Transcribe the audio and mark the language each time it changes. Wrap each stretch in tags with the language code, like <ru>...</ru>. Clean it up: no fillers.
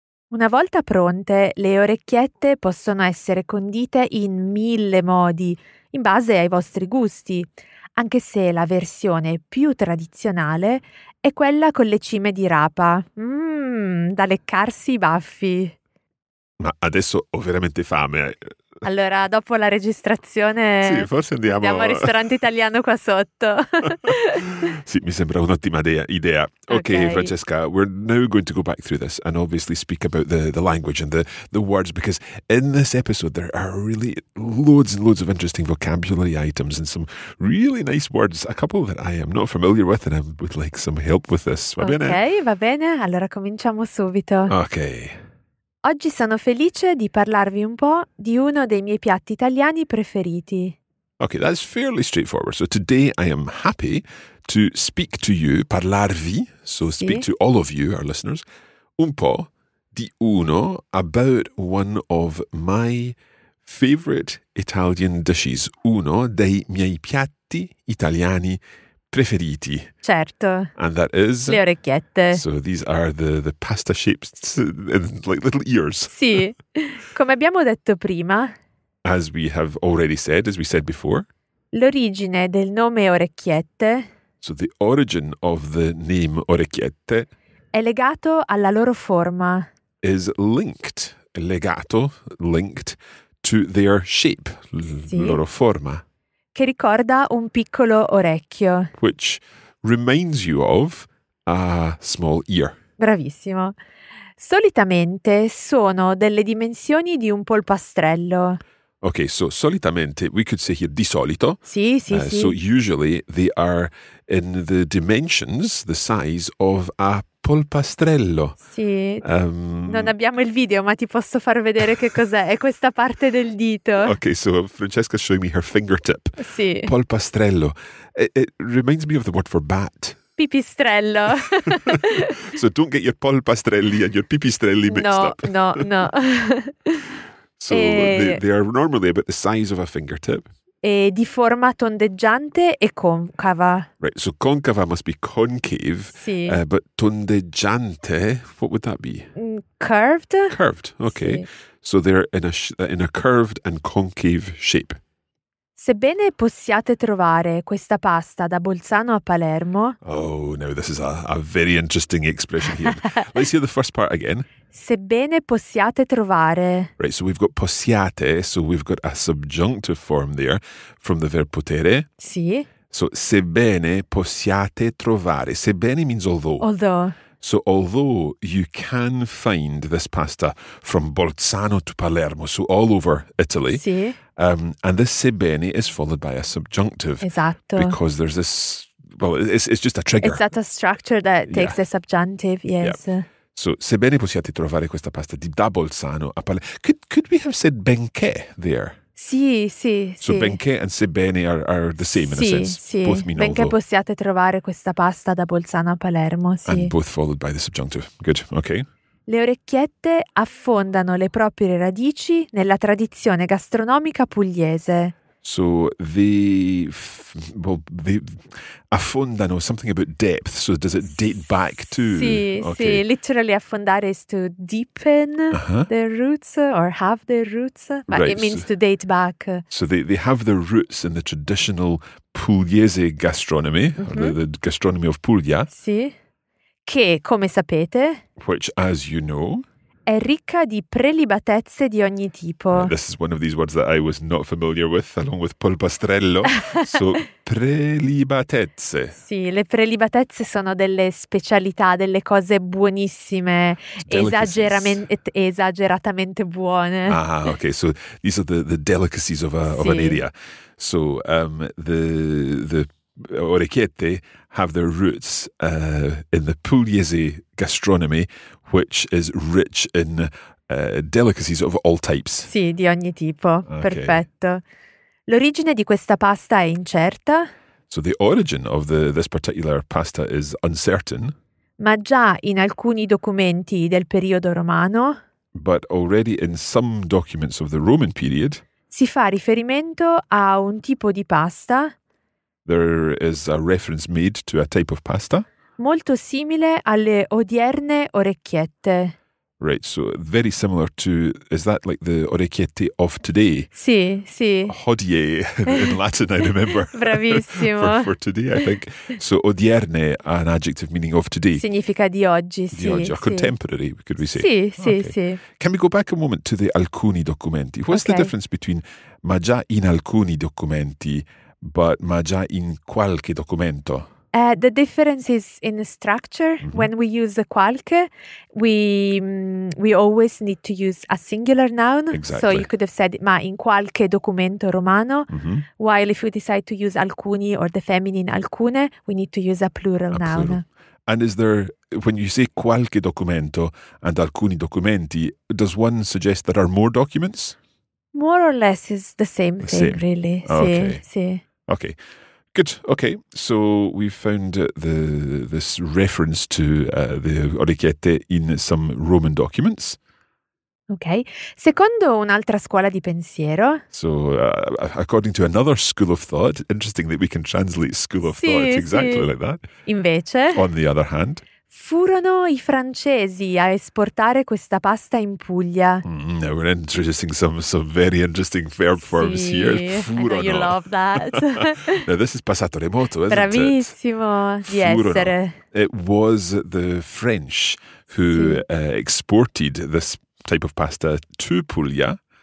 <it>Una volta pronte, le orecchiette possono essere condite in mille modi, in base ai vostri gusti, anche se la versione più tradizionale è quella con le cime di rapa. Mmm, da leccarsi i baffi. Ma adesso ho veramente fame. Allora, dopo la registrazione, sì, forse andiamo al ristorante italiano qua sotto. Sì, mi sembra un'ottima idea.</it> <en>Okay, Francesca, we're now going to go back through this and obviously speak about the language and the words, because in this episode there are really loads and loads of interesting vocabulary items and some really nice words, a couple that I am not familiar with and I would like some help with this.</en> <it>Va bene, allora cominciamo subito.</it> <en>Okay.</en> <it>Oggi sono felice di parlarvi un po' di uno dei miei piatti italiani preferiti.</it> <en>Okay, that's fairly straightforward. So today I am happy to speak to you, parlarvi, so speak to all of you, our listeners, un po' di uno, about one of my favorite Italian dishes,</en> <it>uno dei miei piatti italiani preferiti. Certo.</it> <en>And that is?</en> <it>Le orecchiette.</it> <en>So these are the pasta shapes, like little ears.</en> <it>Sì. Come abbiamo detto prima.</it> <en>As we have already said, as we said before.</en> <it>L'origine del nome orecchiette.</it> <en>So the origin of the name orecchiette</en> <it>è legato alla loro forma.</it> <en>Is linked, legato, linked to their shape, sì.</en> <it>Loro forma. Che ricorda un piccolo orecchio.</it> <en>Which reminds you of a small ear.</en> <it>Bravissimo. Solitamente sono delle dimensioni di un polpastrello.</it> <en>Ok, so solitamente, we could say here,</en> <it>di solito. Sì, sì, sì.</it> <en>So usually they are in the dimensions, the size of a polpastrello.</en> <it>Sì, non abbiamo il video, ma ti posso far vedere che cos'è. È questa parte del dito.</it> <en>Ok, so Francesca showing me her fingertip.</en> <it>Sì.</it> <en>Polpastrello. It reminds me of the word for bat.</en> <it>Pipistrello.</it> <en>So don't get your polpastrelli and your pipistrelli mixed up. No, no, no. So they are normally about the size of a fingertip.</en> <it>E di forma tondeggiante e concava.</it> <en>Right, so concava must be concave.</en> <it>Sì.</it> <en>But tondeggiante, what would that be? Curved. Curved, okay. Sì. So they're in a curved and concave shape.</en> <it>Sebbene possiate trovare questa pasta da Bolzano a Palermo.</it> <en>Oh, now this is a very interesting expression here. Let's hear the first part again.</en> <it>Sebbene possiate trovare.</it> <en>Right, so we've got possiate, so we've got a subjunctive form there from the verb potere.</en> <it>Sì.</it> <en>So</en> <it>sebbene possiate trovare.</it> <en>Sebbene means although. Although. So although you can find this pasta from Bolzano to Palermo, so all over Italy.</en> <it>Sì.</it> <en>And this sebbene is followed by a subjunctive.</en> <it>Esatto.</it> <en>Because there's this, well, it's just a trigger. It's that a structure that takes the subjunctive, yes. Yep.</en> <it>So, sebbene possiate trovare questa pasta di da Bolzano a Palermo.</it> <en>Could we have said benché there?</en> <it>Sì, sì,</it> <en>so</en> <it>sì.</it> <en>So benché and sebbene are the same in</en> <it>sì,</it> <en>a sense.</en> <it>Sì,</it> <en>both mean</en> <it>benché</it> <en>although.</en> <it>Possiate trovare questa pasta da Bolzano a Palermo, sì.</it> <en>And both followed by the subjunctive. Good, okay.</en> <it>Le orecchiette affondano le proprie radici nella tradizione gastronomica pugliese.</it> <en>So they affondano, something about depth. So does it date back to?</en> <it>Sì, okay. Sì.</it> <en>Literally affondare is to deepen their roots or have their roots. But right. It means to date back. So they have their roots in the traditional Pugliese gastronomy, mm-hmm. Or the gastronomy of Puglia.</en> <it>Sì. Che, come sapete,</it> <en>which, as you know,</en> <it>è ricca di prelibatezze di ogni tipo.</it> <en>This is one of these words that I was not familiar with, along with polpastrello. So, prelibatezze.</en> <it>Sì, le prelibatezze sono delle specialità, delle cose buonissime, esageratamente buone.</it> <en>Ah, ok, so these are the delicacies of, a, sì. Of an area. So, the orecchiette have their roots in the Pugliese gastronomy, which is rich in delicacies of all types.</en> <it>Sì, di ogni tipo. Okay. Perfetto. L'origine di questa pasta è incerta.</it> <en>So the origin of this particular pasta is uncertain.</en> <it>Ma già in alcuni documenti del periodo romano.</it> <en>But already in some documents of the Roman period.</en> <it>Si fa riferimento a un tipo di pasta.</it> <en>There is a reference made to a type of pasta.</en> <it>Molto simile alle odierne orecchiette.</it> <en>Right, so very similar to, is that like the orecchiette of today?</en> <it>Sì, sì.</it> <en>Hodie in Latin, I remember.</en> <it>Bravissimo.</it> <en>for today, I think. So odierne, an adjective meaning of today.</en> <it>Significa di oggi, sì. Di oggi,</it> <en>or contemporary,</en> <it>sì.</it> <en>Could we say?</en> <it>Sì, okay. Sì, sì.</it> <en>Can we go back a moment to the alcuni documenti? What's the difference between</en> <it>ma già in alcuni documenti</it> <en>but</en> <it>ma già in qualche documento?</it> <en>The difference is in the structure. Mm-hmm. When we use qualche, we always need to use a singular noun. Exactly. So you could have said</en> <it>ma in qualche documento romano,</it> <en>mm-hmm. While if we decide to use alcuni or the feminine alcune, we need to use a plural a noun. Plural. And is there, when you say</en> <it>qualche documento</it> <en>and</en> <it>alcuni documenti,</it> <en>does one suggest there are more documents? More or less is the same thing, same. Really. Okay.</en> <it>Sì, sì.</it> <en>Okay. Good. Okay. So we found this reference to the orecchiette in some Roman documents. Okay.</en> <it>Secondo un'altra scuola di pensiero.</it> <en>So according to another school of thought, interesting that we can translate school of</en> <it>sì,</it> <en>thought exactly</en> <it>sì.</it> <en>Like that.</en> <it>Invece.</it> <en>On the other hand.</en> <it>Furono i francesi a esportare questa pasta in Puglia.</it> <en>Mm, we're introducing some very interesting verb forms</en> <it>sì,</it> <en>here. Furono. You love that. Now, this is passato remoto, isn't</en> <it>Bravissimo</it> <en>it?</en> <it>Bravissimo di essere.</it> <en>It was the French who exported this type of pasta to Puglia.</en>